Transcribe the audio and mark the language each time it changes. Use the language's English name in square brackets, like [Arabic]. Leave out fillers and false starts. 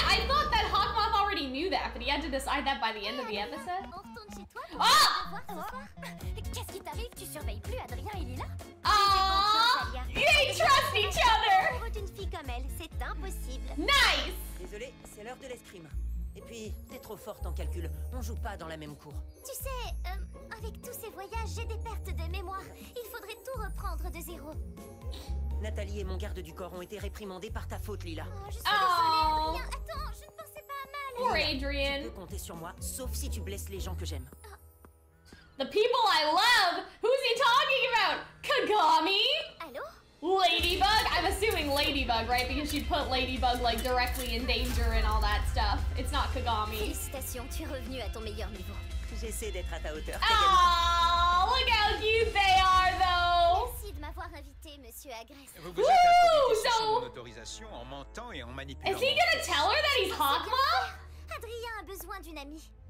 [English] I thought that Hawk Moth already knew that, but he had to decide that by the end of the episode. [French] On retourne chez toi pour voir ce soir. Qu'est-ce qui t'arrive? Tu surveilles plus Adrien et Lila? [English] Aww! They trust each other! [French] Une fille comme elle, c'est impossible. [English] Nice! [French] Désolée, c'est l'heure de l'escrime. Et puis, t'es trop forte en calcul. On joue pas dans la même cour. Tu sais, avec tous ces voyages, j'ai des pertes de mémoire. Il faudrait tout reprendre de zéro. Nathalie et mon garde du corps ont été réprimandés par ta faute, Lila. Oh, je suis désolée, Adrien. Attends, je ne pensais pas à mal. [English] Poor Adrian. [French] Tu peux compter sur moi, sauf si tu blesses les gens que j'aime. [English] The people I love? Who's he talking about? Kagami? [French] Allô? [English] Ladybug? I'm assuming Ladybug, right? Because she put Ladybug, like, directly in danger and all that stuff. It's not Kagami. [French] Félicitations, tu es revenu à ton meilleur niveau. J'essaie d'être à ta hauteur. [English] Aww, look how cute they are, though! [French] Merci de m'avoir invité, Monsieur Agresse. [English] Woo! So... [French] autorisation en mentant et en manipulant. [English] Is he gonna tell her that he's Hawkma? [French] Adrien a besoin d'une amie.